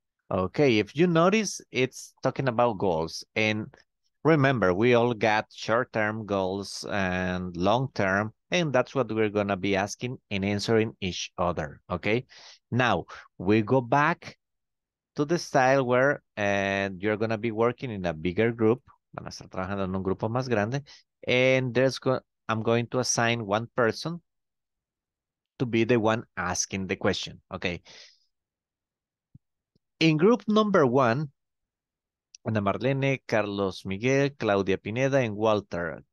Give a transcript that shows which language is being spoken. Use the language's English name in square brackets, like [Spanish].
[English] Okay, if you notice, it's talking about goals. And remember, we all got short-term goals and long-term, and that's what we're going to be asking and answering each other, okay? Now, we go back to the style where you're going to be working in a bigger group. [Spanish] Van a estar trabajando en un grupo más grande. [English] And I'm going to assign one person to be the one asking the question, okay? In group number one, Ana Marlene, Carlos Miguel, Claudia Pineda, and Walter.